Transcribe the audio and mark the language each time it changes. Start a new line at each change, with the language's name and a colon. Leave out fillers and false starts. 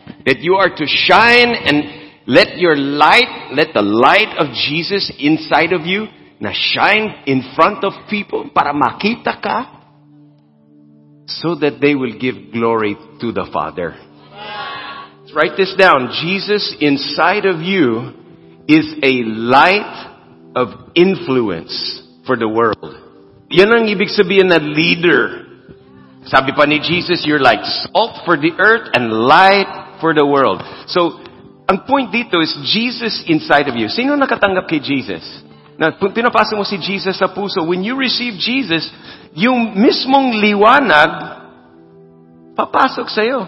English: That you are to shine and let your light, let the light of Jesus inside of you, na shine in front of people,
Filipino: para makita ka,
English: so that they will give glory to the Father. Let's write this down. Jesus inside of you is a light of influence for the world.
Filipino: Yan ang ibig sabihin na leader. Sabi pa ni
English: Jesus, you're like salt for the earth and light for the world. So, ang point dito is Jesus inside of you.
Filipino: Sino nakatanggap kay Jesus? Na pinapasa mo si Jesus sa puso.
English: When you receive Jesus,
Filipino: yung mismong liwanag papasok sa'yo.